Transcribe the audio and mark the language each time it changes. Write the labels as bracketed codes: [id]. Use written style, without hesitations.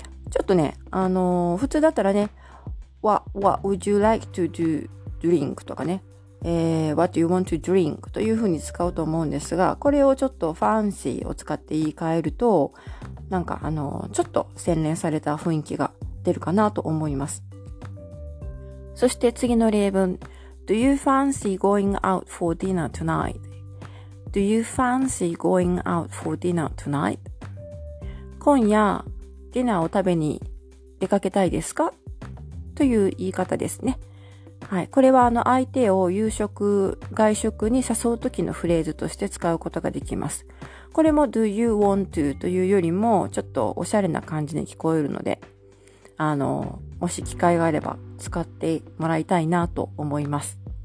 [ja] ちょっとね、普通だったらね、 [en] What would you like to do drink? [ja] とかね、 [en] What do you want to drink? [ja] というふうに使うと思うんですが、これをちょっと fancy を使って言い換えると、なんかちょっと洗練された雰囲気が出るかなと思います。そして次の例文。 [en] Do you fancy going out for dinner tonight? Do you fancy going out for dinner tonight? [ja] 今夜ディナーを食べに出かけたいですか? という言い方ですね。はい、これは相手を夕食、外食に誘う時のフレーズとして使うことができます。これも [en] Do you want to [ja] というよりもちょっとおしゃれな感じに聞こえるので、もし機会があれば使ってもらいたいなと思います。